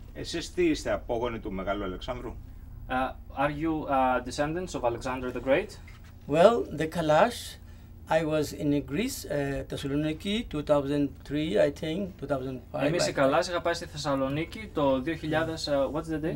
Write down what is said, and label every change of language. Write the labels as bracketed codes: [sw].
[el] Εσείς τι είστε, απόγονοι του Μεγάλου Αλεξάνδρου? [en] Are you descendants of Alexander the Great? Well, the Kalash, I was in Greece, Thessaloniki, 2003, I think, 2005. [el] Εμείς οι Kalash, είχα πάει στη Θεσσαλονίκη το 2000, [en] what's the date?